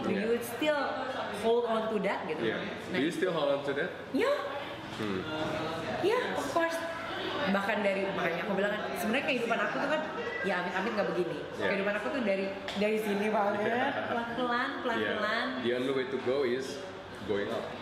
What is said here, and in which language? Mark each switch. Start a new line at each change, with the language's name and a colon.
English: Do you still hold on to that gitu? Yeah. Nah, do you still hold on to that? Yeah. Hmm. Ya, yeah, of course.
Indonesian: Bahkan dari makanya aku bilang kan, sebenarnya kehidupan aku tuh kan, ya amit-amit nggak begini. Yeah. Kehidupan aku tuh dari sini banget, pelan-pelan.
English: Yeah. The only way to go is going up.